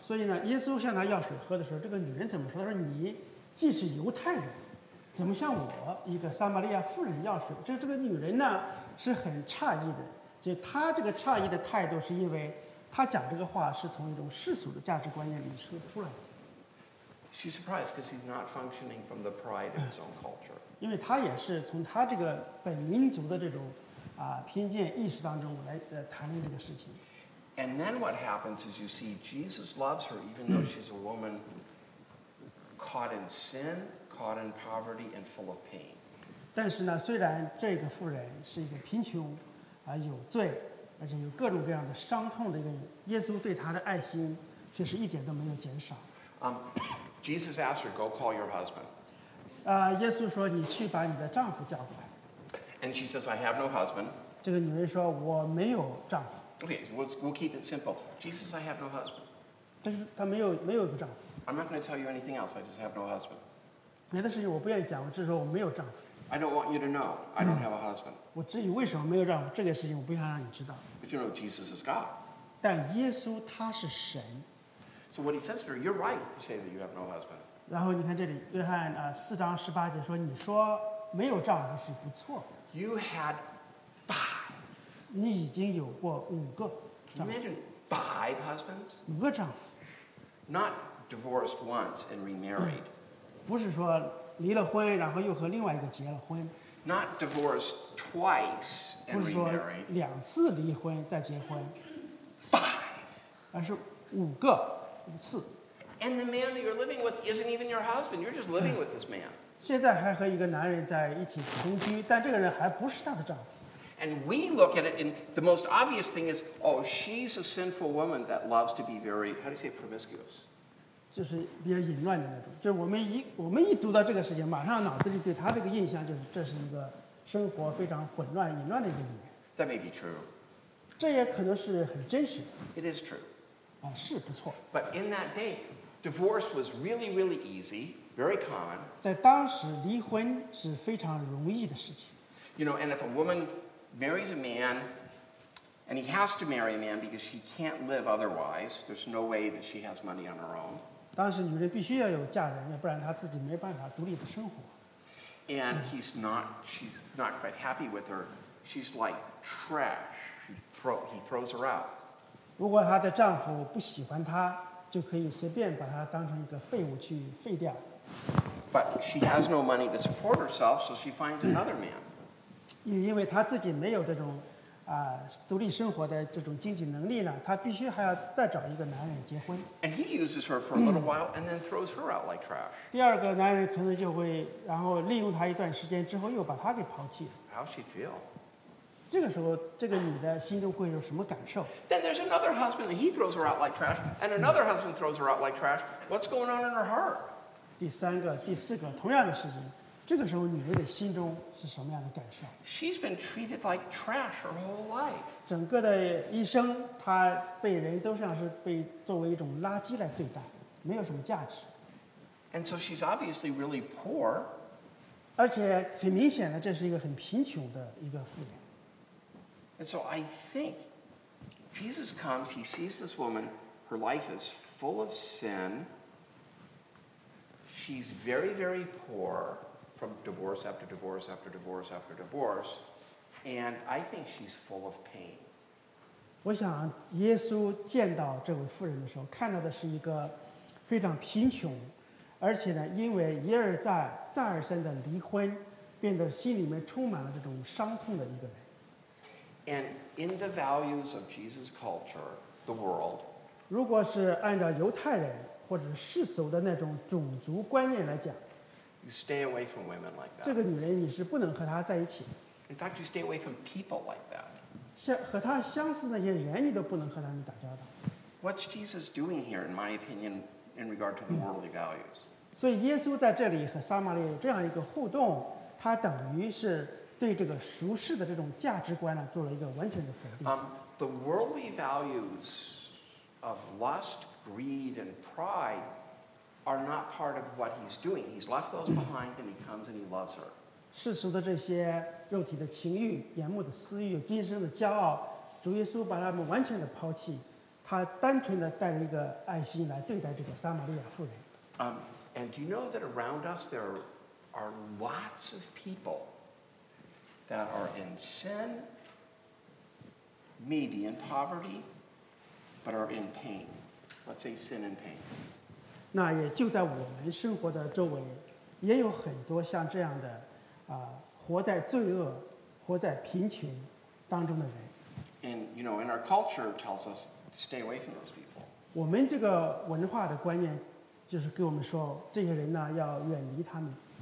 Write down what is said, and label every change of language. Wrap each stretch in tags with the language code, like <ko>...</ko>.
<zh>所以呢，耶稣向她要水喝的时候，这个女人怎么说？她说：“你既是犹太人。” 怎么向我一个撒玛利亚妇人要水？这个女人呢是很诧异的，就她这个诧异的态度，是因为她讲这个话是从一种世俗的价值观念里说出来的。</zh> <en>She's surprised because he's not functioning from the pride of his own culture.</en> <zh>因为她也是从她这个本民族的这种偏见意识当中来谈论这个事情。</zh> <en>And then what happens is you see Jesus loves her even though she's a woman caught in sin. Caught in poverty and full of pain.</en> <zh>但是呢，虽然这个妇人是一个贫穷、有罪，而且有各种各样的伤痛的一个人，耶稣对她的爱心却是一点都没有减少。</zh> <en>Jesus asked her, "Go call your husband."</en> <zh>耶稣说，你去把你的丈夫叫过来。</zh> <en>And she says, "I have no husband."</en> <zh>这个女人说我没有丈夫。</zh> <en>Okay, we'll keep it simple. Jesus, I have no husband.</en> <zh>但是她没有一个丈夫。</zh> <en>I'm not going to tell you anything else. I just have no husband.</en> <zh>别的事情我不愿意讲，我只说我没有丈夫。</zh> <en>I don't want you to know. I don't have a husband.</en> <zh>我至于为什么没有丈夫这个事情，我不想让你知道。</zh> <en>But you know Jesus is God.</en> <zh>但耶稣他是神。</zh> <en>So what he says to her, you're right to say that you have no husband.</en> <zh>然后你看这里，约翰四章十八节说，你说没有丈夫是不错的。</zh> <en>You had five.</en> <zh>你已经有过五个丈夫。</zh> <en>Can you imagine five husbands?</en> <zh>五个丈夫。</zh> <en>Not divorced once and remarried.</en> <zh>不是说离了婚，然后又和另外一个结了婚。</zh> <en>Not divorced twice and remarried.</en> <zh>不是说两次离婚再结婚。</zh> <en>Five.</en> <zh>而是五个五次。</zh> <en>And the man that you're living with isn't even your husband. You're just living with this man.</en> <zh>现在还和一个男人在一起同居，但这个人还不是他的丈夫。</zh> <en>And we look at it, and the most obvious thing is, oh, she's a sinful woman that loves to be very, how do you say, promiscuous.</en> <zh>就是比较淫乱的那种。就是我们一读到这个事情，马上脑子里对她这个印象就是这是一个生活非常混乱、淫乱的一个女人。</zh> <en>That may be true.</en> <zh>这也可能是很真实的。</zh> <en>It is true.</en> <zh>啊，是不错。</zh> <en>But in that day, divorce was really, really easy. Very common.</en> <zh>在当时，离婚是非常容易的事情。</zh> <en>You know, and if a woman marries a man, and he has to marry a man because she can't live otherwise, there's no way that she has money on her own.</en> <zh>当时女人必须要有嫁人，要不然她自己没办法独立的生活。</zh> <en>And he's not, she's not quite happy with her. She's like trash. He throws her out.</en> <zh>如果她的丈夫不喜欢她，就可以随便把她当成一个废物去废掉。</zh> <en>But she has no money to support herself, so she finds another man.</en> <zh>因为她自己没有这种独立生活的这种经济能力呢，她必须还要再找一个男人结婚。</zh> <en>And he uses her for a little while, and then throws her out like trash.</en> <zh>第二个男人可能就会，然后利用她一段时间之后，又把她给抛弃。</zh> <en>How she feel?</en> <zh>这个时候，这个女的心中会有什么感受？</zh> <en>Then there's another husband, and he throws her out like trash, and another husband throws her out like trash. What's going on in her heart?</en> <zh>第三个、第四个，同样的事情，这个时候女人的心中是什么样的感受</zh> <en>？She's been treated like trash her whole life.</en> <zh>整个的一生，她被人都像是被作为一种垃圾来对待，没有什么价值。</zh> <en>And so she's obviously really poor.</en> <zh>而且很明显的，这是一个很贫穷的一个妇人。</zh> <en>And so I think Jesus comes. He sees this woman. Her life is full of sin. She's very, very poor from divorce after divorce after divorce after divorce, and I think she's full of pain.</en> <zh>我想耶稣见到这位妇人的时候，看到的是一个非常贫穷，而且呢，因为一而再、再而三的离婚，变得心里面充满了这种伤痛的一个人。</zh> <en>And in the values of Jesus' culture, the world.</en> <zh>如果是按照犹太人。或者世俗的那种种族观念来讲</zh> <en>，You stay away from women like that.</en> <zh>这个女人你是不能和她在一起。</zh> <en>In fact, you stay away from people like that.</en> <zh>和她相似的那些人，你都不能和他们打交道。</zh> <en>What's Jesus doing here, in my opinion, in regard to the worldly values?</en> <zh>所以耶稣在这里和撒玛利亚有这样一个互动，他等于是对这个俗世的这种价值观呢，做了一个完全的否定。</zh> <en>The worldly values of lust. Greed and pride are not part of what he's doing. He's left those behind, and he comes and he loves her.</en> <zh>世俗的这些肉体的情欲、眼目的私欲、今生的骄傲，主耶稣把他们完全的抛弃，他单纯的带着一个爱心来对待这个撒玛利亚妇人。</zh> <en>And do you know that around us there are lots of people that are in sin, maybe in poverty, but are in pain. Let's say sin and pain.</en> <zh>那也就在我们生活的周围，也有很多像这样的，活在罪恶、活在贫穷当中的人。</zh> <en>And you know, in our culture, tells us to stay away from those people.</en> <zh>我们这个文化的观念，就是给我们说，这些人呢要远离他们。</zh>